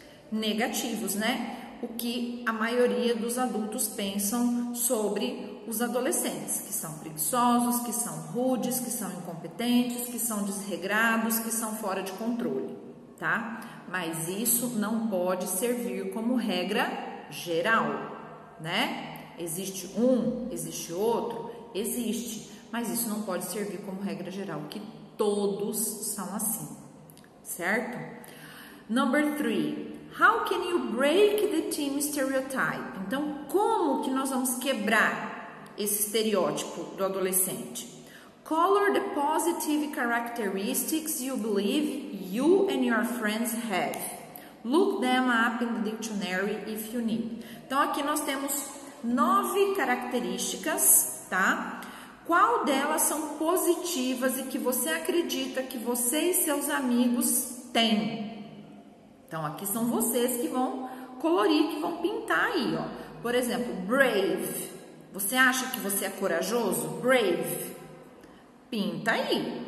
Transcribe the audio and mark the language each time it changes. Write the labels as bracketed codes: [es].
[pt] Negativos, né? O que a maioria dos adultos pensam sobre os adolescentes, que são preguiçosos, que são rudes, que são incompetentes, que são desregrados, que são fora de controle, tá? Mas isso não pode servir como regra geral, né? Existe um, existe outro, existe. Mas isso não pode servir como regra geral, que todos são assim, certo? [en] Number three, how can you break the team stereotype? [pt] Então, como que nós vamos quebrar esse estereótipo do adolescente? [en] Color the positive characteristics you believe you and your friends have. Look them up in the dictionary if you need. [pt] Então, aqui nós temos 9 características, tá? Qual delas são positivas e que você acredita que você e seus amigos têm? Então, aqui são vocês que vão colorir, que vão pintar aí, ó. Por exemplo, brave. Você acha que você é corajoso? Brave. Pinta aí.